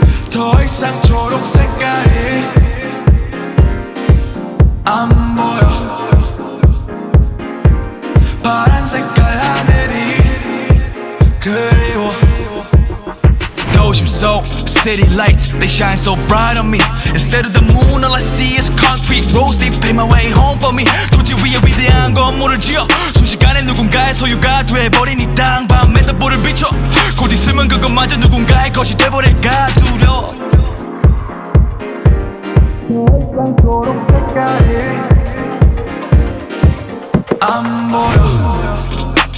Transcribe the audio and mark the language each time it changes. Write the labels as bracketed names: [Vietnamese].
[Korean] 더 이상 초록색깔이 안 보여. 파란 색깔 하늘이 그리워. [English] So city lights, they shine so bright on me. Instead of the moon, all I see is concrete roads. They pave my way home for me. [Korean] 토지 위에 위대한 건물을 지어 순식간에 누군가의 소유가 돼버린 이 땅. 밤에도 불을 비춰 곧 있으면 그것마저 누군가의 것이 돼버릴까 두려워. 더 이상 초록색깔이 안 보여.